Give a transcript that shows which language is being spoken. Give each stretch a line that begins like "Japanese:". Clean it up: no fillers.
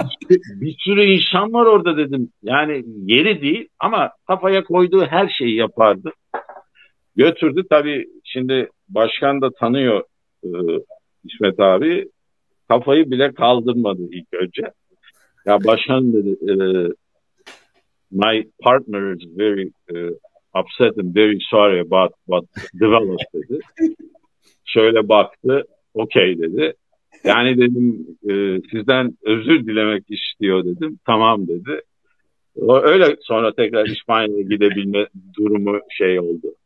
Turkish: Bir sürü insan var orada dedim. Yani yeri değil ama kafaya koyduğu her şeyi yapardı. Götürdü tabii, şimdi başkan da tanıyor İsmet abi. Kafayı bile kaldırmadı ilk önce. Ya başkan dedi,
English: my partner is very upset and very sorry about what developed
Turkish: dedi. Şöyle baktı, okay dedi. Yani dedim sizden özür dilemek istiyor dedim. Tamam dedi. Öyle sonra tekrar İspanya'ya gidebilme durumu şey oldu.